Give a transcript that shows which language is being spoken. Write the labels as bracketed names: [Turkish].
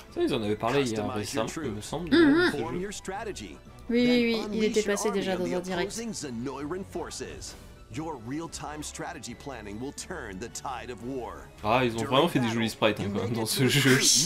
[French] Ça, ils en avaient parlé hier, récemment, il me semble. Mm-hmm. Strategy, oui, il était passé déjà dans un direct. [English] Zenoiran forces. Your real-time strategy planning will turn the tide of war. [French] Ah, ils ont vraiment fait des jolis sprites hein, quand même dans ce jeu.